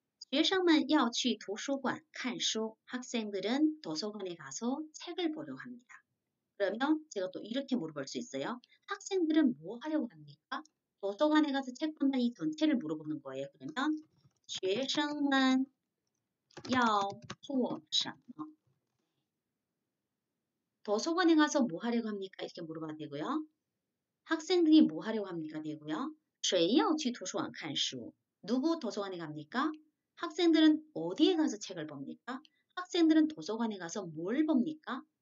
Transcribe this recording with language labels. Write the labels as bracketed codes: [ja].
[zh] 学生们要去图书馆看书， [ko] 학생들은도서관에가서책을보려고합니다。 그러면제가또이렇게물어볼수있어요。 학생들은뭐 하려고 합니까？ 도서관에 가서 책 본다 이 전체를 물어보는 거예요。 [zh] 그러면 学生们要做什么？ [ko] 도서관에 가서 뭐 하려고 합니까？ 이렇게 물어봐도 되고요。 학생들이 뭐 하려고 합니까？ 되고요。 [zh] 谁要去图书馆看书？ [ko] 누구 도서관에 갑니까？ 학생들은 어디에 가서 책을 봅니까？ 학생들은 도서관에 가서 뭘 봅니까？